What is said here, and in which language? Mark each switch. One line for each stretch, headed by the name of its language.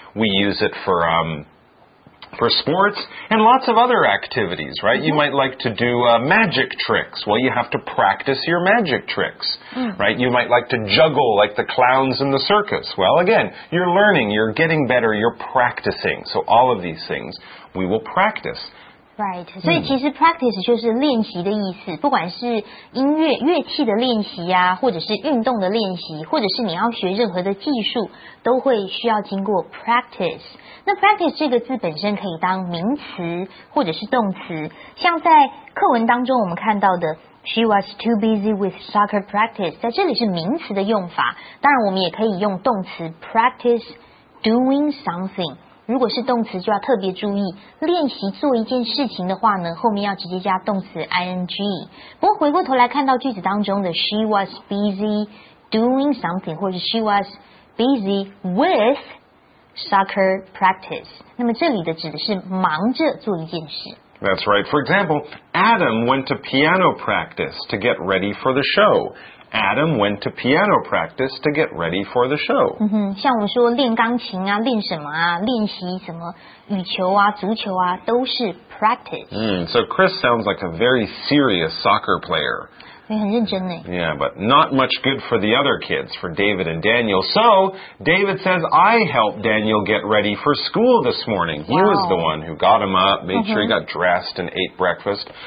English: We use it for sports and lots of other activities, right? You might like to do magic tricks. Well, you have to practice your magic tricks, right? You might like to juggle like the clowns in the circus. Well, again, you're learning, you're getting better, you're practicing. So all of these things, we will practice.
Chinese: Right, 所以其实 practice 就是练习的意思，不管是音乐乐器的练习啊，或者是运动的练习，或者是你要学任何的技术，都会需要经过 practice。那 practice 这个字本身可以当名词或者是动词，像在课文当中我们看到的
English: She was too busy with soccer practice，
Chinese: 在这里是名词的用法。当然我们也可以用动词 practice doing something。如果是动词就要特别注意，练习做一件事情的话呢，后面要直接加动词 ing。不过回过头来看到句子当中的
English: She was busy doing something
Chinese: 或者
English: She was busy with soccer practice，
Chinese: 那么这里的指的是忙着做一件事。
English: That's right. For example, Adam went to piano practice to get ready for the show. Adam went to piano practice to get ready for the show.
Chinese: 像我们说练钢琴啊，练什么啊，练习什么羽球啊，足球啊，都是 practice.
English: So Chris sounds like a very serious soccer player. Yeah, but not much good for the other kids, for David and Daniel. So, David says, I helped Daniel get ready for school this morning. He was the one who got him up, made sure he got dressed and ate breakfast.